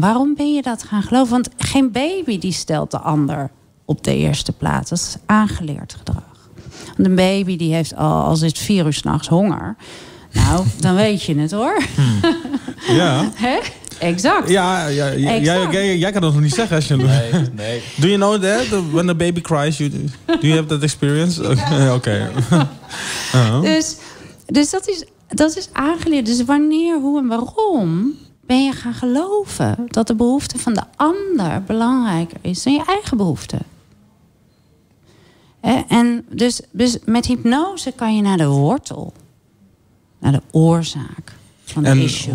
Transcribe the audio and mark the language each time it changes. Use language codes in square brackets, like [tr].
[nl] Waarom ben je dat gaan geloven? Want geen baby die stelt de ander op de eerste plaats. Dat is aangeleerd gedrag. Want een baby die heeft al, als het 4 uur 's nachts honger. Nou, dan weet je het hoor. Hmm. Ja. Hè? Exact. Jij kan dat nog niet zeggen als je. Nee. [en] Do you know that? When a baby cries, do you have that experience? Oké. [nl] Dus dat is dat is aangeleerd. Dus wanneer, hoe en waarom ben je gaan geloven dat de behoefte van de ander belangrijker is dan je eigen behoefte? En dus met hypnose kan je naar de wortel, naar de oorzaak van de issue.